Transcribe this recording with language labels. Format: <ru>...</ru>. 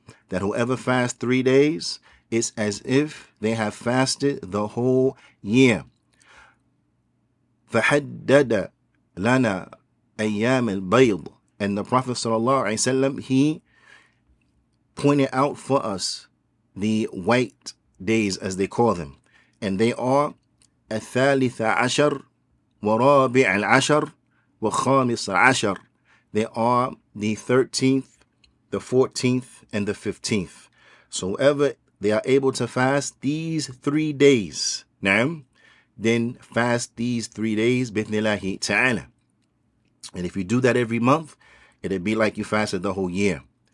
<en>That whoever fasts 3 days, it's as if they have fasted the whole year.</en> <ar>فَحَدَّدَ لَنَا أَيَّامِ الْبَيْضِ.</ar> <en>And the Prophet sallallahu alayhi wa sallam, he pointed out for us the white days, as they call them. And they are</en> <ar>الثالثة عشر ورابع العشر وخامس عشر.</ar> <en>They are the 13th, the 14th, and the 15th. So whoever they are able to fast these 3 days, na'am, then fast these 3 days, bithnillahi ta'ala. And if you do that every month, it'd be like you fasted the whole year.</en>